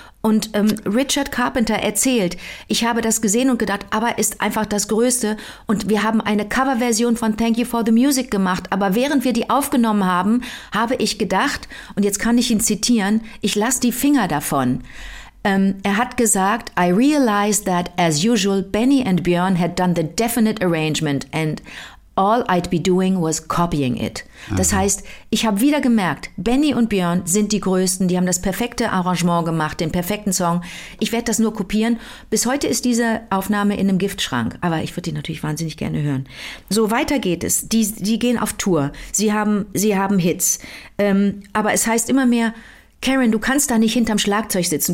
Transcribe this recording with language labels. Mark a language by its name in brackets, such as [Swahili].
[German] Und Richard Carpenter erzählt, ich habe das gesehen und gedacht, ABBA ist einfach das Größte. Und wir haben eine Coverversion von Thank You for the Music gemacht. Aber während wir die aufgenommen haben, habe ich gedacht, und jetzt kann ich ihn zitieren, ich lasse die Finger davon. [English] Er hat gesagt, I realized that as usual Benny and Björn had done the definite arrangement and all I'd be doing was copying it. [German] Das heißt, ich habe wieder gemerkt, Benny und Björn sind die Größten, die haben das perfekte Arrangement gemacht, den perfekten Song. Ich werde das nur kopieren. Bis heute ist diese Aufnahme in einem Giftschrank, aber ich würde die natürlich wahnsinnig gerne hören. So, weiter geht es. Die gehen auf Tour. Sie haben Hits. Aber es heißt immer mehr, Karen, du kannst da nicht hinterm Schlagzeug sitzen.